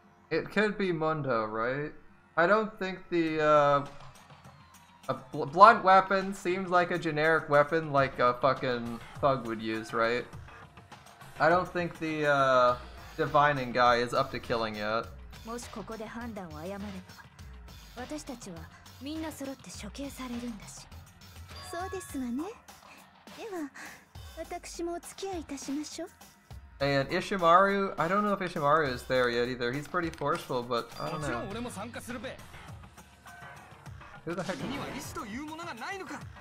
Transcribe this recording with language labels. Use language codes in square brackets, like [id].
[en] It could be Mundo, right? I don't think the blunt weapon seems like a generic weapon like a fucking thug would use, right? I don't think the divining guy is up to killing yet. [ja] もしここで判断を誤れば、私たちはみんな揃って処刑されるんだし。そうですわね。では、私もお付き合いいたしましょう。 [en] And Ishimaru, I don't know if Ishimaru is there yet either. He's pretty forceful, but I don't know. [ja] もちろん俺も参加するべ。 [en] Who the heck? [ja] 君には意志というものがないのか?